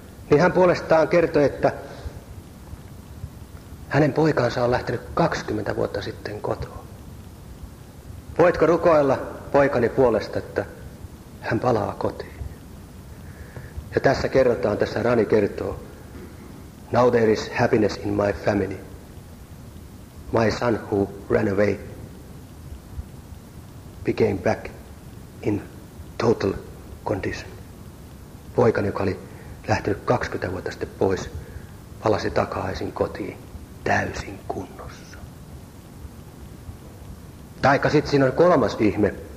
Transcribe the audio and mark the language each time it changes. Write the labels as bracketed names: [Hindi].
[Finnish] Niin hän puolestaan kertoi, että hänen poikansa on lähtenyt 20 vuotta sitten kotoa. Voitko rukoilla poikani puolesta, että hän palaa kotiin? Ja tässä kerrotaan, tässä Rani kertoo. [English] Now there is happiness in my family. My son who ran away became back in total condition. [Finnish] Poikani, joka oli lähtenyt 20 vuotta sitten pois, palasi takaisin kotiin täysin kunnossa. Taikka sitten siinä on kolmas ihme.